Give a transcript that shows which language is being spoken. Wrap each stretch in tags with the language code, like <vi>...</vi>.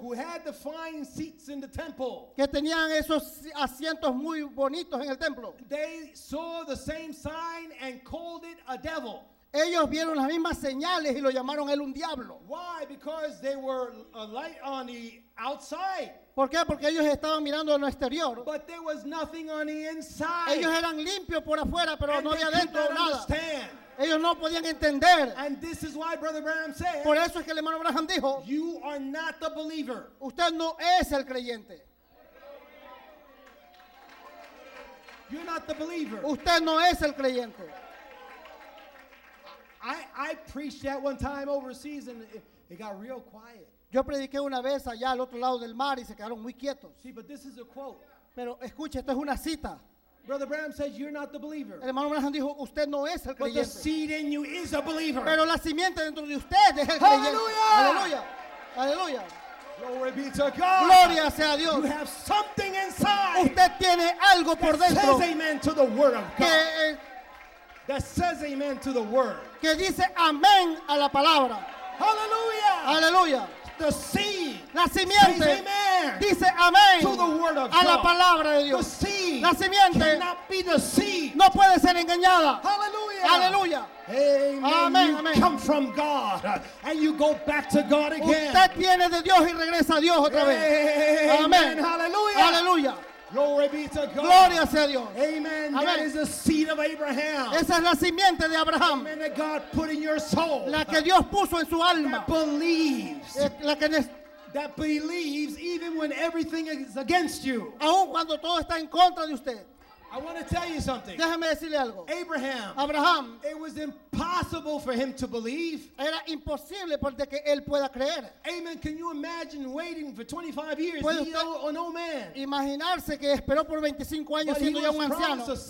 <en>who had the fine seats in the temple,</en> <es>que tenían esos asientos muy bonitos en el templo,</es> <en>they saw the same sign and called it a devil.</en> <es>Ellos vieron las mismas señales y lo llamaron él un diablo.</es> <en>Why? Because they were a light on the outside.</en> <es>¿Por qué? Porque ellos estaban mirando en lo exterior.</es> <en>But there was nothing on the inside.</en> <es>Ellos eran limpios por afuera, pero</es> <en>and</en> <es>no había dentro nada.</es> <en>Understand.</en> <es>Ellos no podían entender.</es> <en>And this is why Brother Branham said,</en> <es>por eso es que el hermano Branham dijo,</es> <en>you are not the believer.</en> <es>Usted no es el creyente.</es> <en>You're not the believer.</en> <es>Usted no es el creyente.</es> <en>I preached that one time overseas and it got real quiet.</en> <es>Yo prediqué una vez allá al otro lado del mar y se quedaron muy quietos.</es> <en>See, but this is a quote.</en> <es>Pero escuche, esto es una cita.</es> <en>Brother Branham says you're not the believer.</en> <es>El hermano Branham dijo, usted no es el creyente.</es> <en>But the seed in you is a believer.</en> <es>Pero la simiente dentro de usted es el creyente.</es> <en>Hallelujah!</en> <es>Hallelujah! Hallelujah!</es> <en>Glory be to God.</en> <es>Gloria sea a Dios.</es> <en>You have something inside.</en> <es>Usted tiene algo por dentro.</es> <en>Says amen to the word of God. That says amen to the word.</en> <es>Que dice amén a la palabra.</es> <en>Hallelujah.</en> <es>Hallelujah.</es> <en>The seed.</en> <es>La simiente.</es> <en>Says amen.</en> <es>Dice amén.</es> <en>To the word of</en> <es>a</es> <en>God.</en> <es>La palabra de Dios.</es> <en>The seed.</en> <es>La simiente.</es> <en>Cannot be the seed.</en> <es>No puede ser engañada.</es> <en>Hallelujah.</en> <es>Hallelujah.</es> <en>Amen.</en> <es>Amen.</es> <en>You come from God and you go back to God again.</en> <es>Usted viene de Dios y regresa a Dios otra vez.</es> <en>Amen. Hallelujah.</en> <es>Hallelujah.</es> <en>Glory be to God.</en> <es>Gloria sea a Dios.</es> <en>Amen. Amen. That is the seed of Abraham.</en> <es>Esa es la simiente de Abraham.</es> <en>Amen. That God put in your soul.</en> <es>La que Dios puso en su alma.</es> <en>That believes.</en> <es>La que</es> <en>that believes even when everything is against you.</en> <es>Aun cuando todo está en contra de usted.</es> <en>I want to tell you something.</en> <es>Déjame decirle algo.</es> <en>Abraham.</en> <es>Abraham.</es> <en>It was impossible for him to believe.</en> <es>Era imposible porque que él pueda creer.</es> <en>Amen. Can you imagine waiting for 25 years?</en> <es>¿Puede usted</es> <en>an old man?</en> <es>Imaginarse que esperó por 25 años siendo ya un anciano.</es>